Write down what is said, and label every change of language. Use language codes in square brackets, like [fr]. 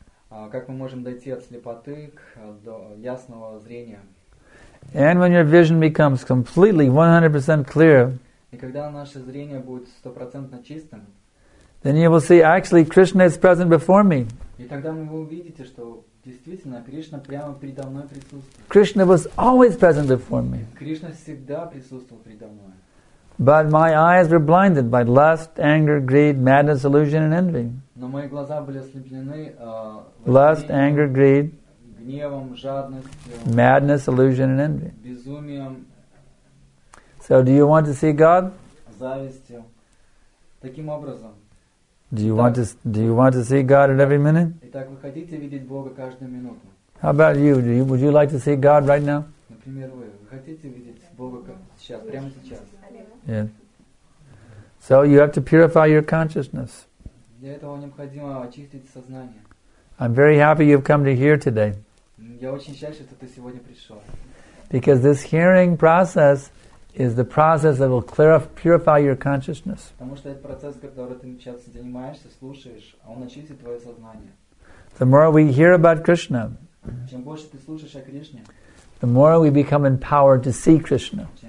[ru] Как мы можем дойти от слепоты к до ясного зрения? [en] And when your vision becomes completely 100% clear, [ru] и когда наше зрение будет 100% чистым, [en] then you will see actually Krishna is present before me. [ru] И тогда вы увидите, что действительно Кришна прямо передо мной присутствует. [en] Krishna was always present before me. [ru] Кришна всегда присутствовал передо мной. [en] But my eyes were blinded by lust, anger, greed, madness, illusion, and envy. [ru] Но мои глаза были ослеплены. [en] Lust, anger, greed. [ru] Гневом, жадностью. [en] Madness, illusion, and envy. [ru] Безумием. [en] So, do you want to see God? [ru] Завистью. Таким образом. [en] Do you want to see God at every minute? [ru] Итак, вы хотите видеть Бога каждую минуту? [en] How about you? Would you like to see God right now? [ru] Например, вы хотите видеть Бога сейчас, прямо сейчас? [en] Yeah. So you have to purify your consciousness. [ru] Для этого необходимо очистить сознание. [en] I'm very happy you've come to hear today. [ru] Я очень счастлив, что ты сегодня пришел. [en] Because this hearing process is the process that will purify your consciousness. [ru] Потому что этот процесс, который ты сейчас занимаешься, слушаешь, он очистит твое сознание. [en] The more we hear about Krishna, [ru] чем больше ты слушаешь о Кришне, [en] the more we become empowered to see Krishna.